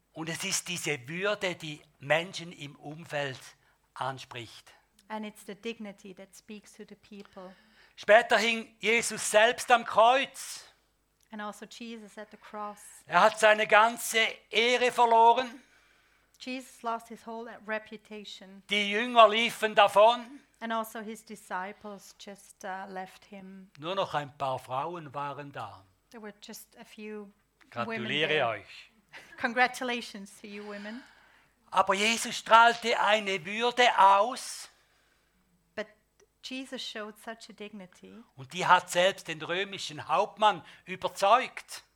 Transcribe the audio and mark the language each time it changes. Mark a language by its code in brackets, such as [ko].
[de] Und es ist diese Würde, die Menschen im Umfeld anspricht. [en] And it's the dignity that speaks to the people. [de] Später hing Jesus selbst am Kreuz. [en] And also Jesus at the cross. [de] Er hat seine ganze Ehre verloren. [en] Jesus lost his whole reputation. [de] Die Jünger liefen davon. [en] And also his disciples just left him. [de] Nur noch ein paar Frauen waren da. [en] There were just a few [de] Gratuliere [en] women [de] euch. [en] Congratulations to you women. [de] Aber Jesus strahlte eine Würde aus. [en] But Jesus showed such a dignity. [de] Und die hat selbst den römischen Hauptmann überzeugt.